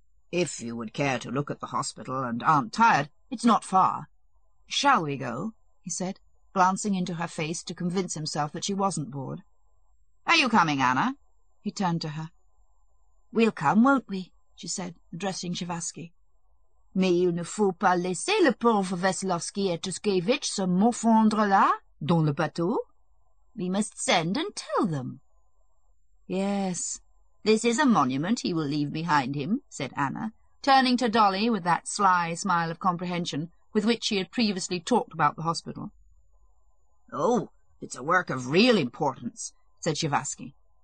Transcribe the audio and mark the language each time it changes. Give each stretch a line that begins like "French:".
English: "If you would care to look at the hospital and aren't tired, it's not far. Shall we go?" he said, glancing into her face to convince himself that she wasn't bored. "Are you coming, Anna?" He turned to her. "We'll come, won't we?" she said, addressing Shavasky.
French: "Mais il ne faut pas laisser le pauvre Veselovsky et Tuskevich se morfondre là, dans le bateau.
English: We must send and tell them." "Yes. This is a monument he will leave behind him," said Anna, turning to Dolly with that sly smile of comprehension with which she had previously talked about the hospital. "Oh, it's a work of real importance," said Shavasky.